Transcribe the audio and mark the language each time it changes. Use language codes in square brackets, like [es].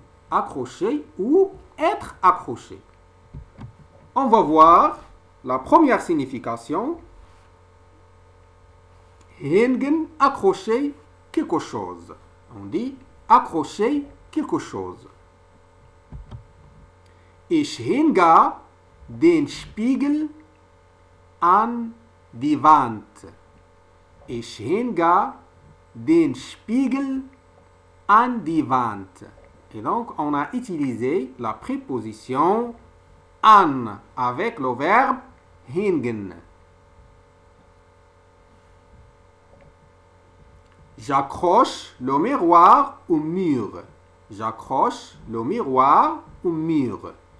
[fr] Accrocher ou être accroché. On va voir la première signification. Hängen, accrocher quelque chose. On dit accrocher quelque chose. [de] Ich hänge den Spiegel an die Wand. Ich hänge den Spiegel an die Wand. [fr] Et donc, on a utilisé la préposition an avec le verbe hängen. J'accroche le miroir au mur. J'accroche le miroir au mur.